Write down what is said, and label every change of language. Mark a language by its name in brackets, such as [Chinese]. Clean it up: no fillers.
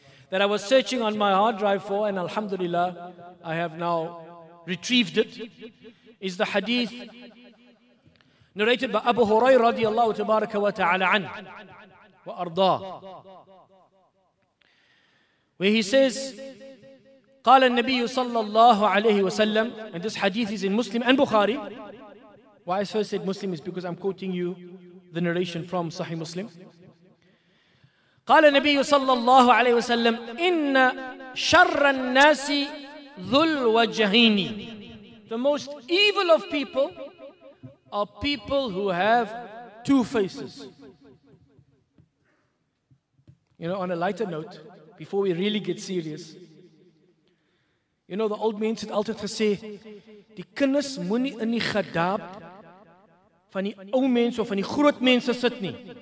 [English] That I was searching on my hard drive for, and alhamdulillah, I have now retrieved it, is the hadith narrated by Abu Hurairah radiallahu tabaraka wa ta'ala an wa arda, where he says, qala an-nabiy sallallahu alayhi wa sallam, and this hadith is in Muslim and Bukhari. Why I first said Muslim is because I'm quoting you the narration from Sahih Muslim. [Arabic] قال النبي صلى الله عليه وسلم إن شر الناس ذو الوجهين. [English] The most evil of people are people who have two faces. You know, on a lighter note, before we really get serious, you know, the old man said [Afrikaans] altijd gesê, die kinders moenie in die gedaap van die ou mense of van die groot mense sit nie.